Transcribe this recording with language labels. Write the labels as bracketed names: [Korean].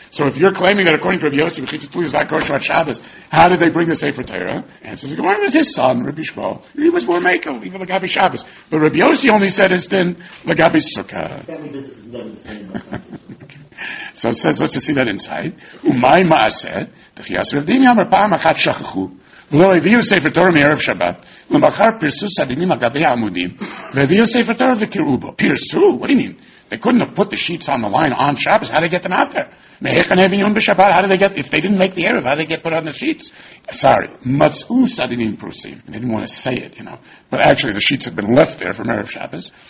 [English] So if you're claiming that according to Rabbi Yossi, mechitza tluya is not kosher on Shabbos, how did they bring the Sefer Torah? Answer is, the Gemara was his son, Rabbi Shmuel. He was more makel, even Lagabi Shabbos. But Rabbi Yossi only said his din, Lagabi Sukkah. Family business is never the same. So it says, let's just see that inside. [Hebrew] Umay ma'aseh, techiyas revdim yamar pa'am achat shachachu. ולא הביאו ספר תורה מערב שבת, ומחר פרסו סדינים על גבי העמודים, והביאו ספר תורה וקראו בו. [English] פרסו? What do you mean? They couldn't have put the sheets on the line on Shabbos. How did they get them out there? [Hebrew] מהיכן הביאו בשבת? [English] How did they get, if they didn't make the ערב, how did they get put on the sheets? Sorry. [Hebrew] מצאו סדינים פרוסים. [English] They didn't want to say it, you know. But actually, the sheets had been left there from ערב Shabbos.